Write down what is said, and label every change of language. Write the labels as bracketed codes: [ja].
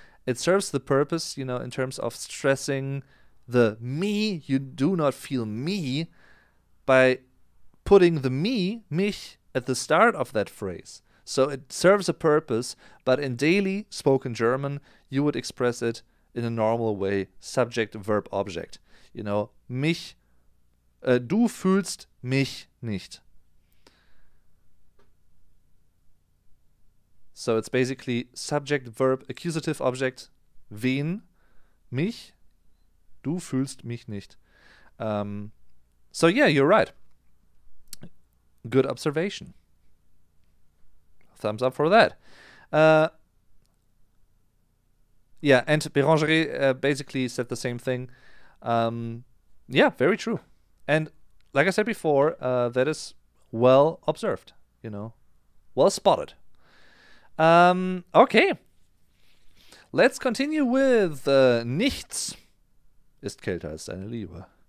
[en] It serves the purpose, you know, in terms of stressing the me, you do not feel me, by putting the me, mich, at the start of that phrase. So it serves a purpose, but in daily spoken German, you would express it in a normal way, subject, verb, object. You know, [de] mich, du fühlst mich nicht. [en] So it's basically subject, verb, accusative, object, [de] wen, mich, du fühlst mich nicht. [en] So yeah, you're right. Good observation. Thumbs up for that. Yeah, and Bérangerie basically said the same thing. Yeah, very true. And like I said before, that is well observed, you know, well spotted. Okay. Let's continue with Nichts ist kälter als deine Liebe.